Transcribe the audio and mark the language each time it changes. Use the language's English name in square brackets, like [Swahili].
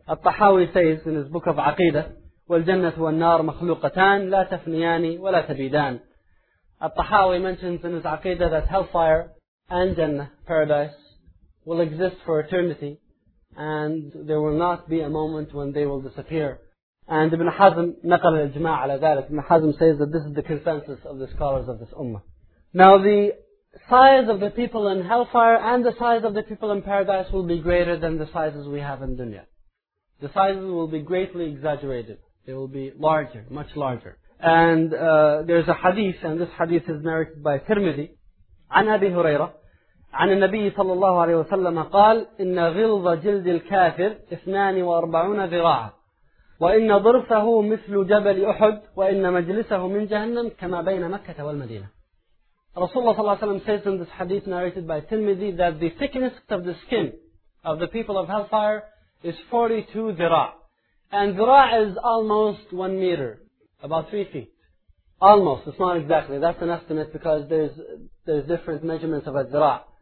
[English] At-Tahawi says in his book of Aqidah, [Arabic] وَالْجَنَّةُ وَالنَّارُ مَخْلُوقَتَانِ لَا تَفْنِيَانِ وَلَا تَبِيدَانِ. [English] At-Tahawi mentions in his Aqidah that hellfire and Jannah, paradise, will exist for eternity, and there will not be a moment when they will disappear. [Arabic] And Ibn Hazm نقل الإجماع على ذلك. [English] Ibn Hazm says that this is the consensus of the scholars of this ummah. Now the size of the people in hellfire and the size of the people in paradise will be greater than the sizes we have in dunya. The sizes will be greatly exaggerated. They will be larger, much larger. And there's a hadith, and this hadith is narrated by Tirmidhi, [Arabic] عن أبي هريرة عن النبي صلى الله عليه وسلم قال إن غلظ جلد الكافر 42 ذراعا وإن ضرفه مثل جبل أحد وإن مجلسه من جهنم كما بين مكة والمدينة. [English] Rasulullah sallallahu alayhi wa sallam says in this hadith narrated by Tirmidhi that the thickness of the skin of the people of hellfire is 42 dhira. And dhira is almost 1 meter, about 3 feet. Almost, it's not exactly. That's an estimate because there's different measurements of a dhira.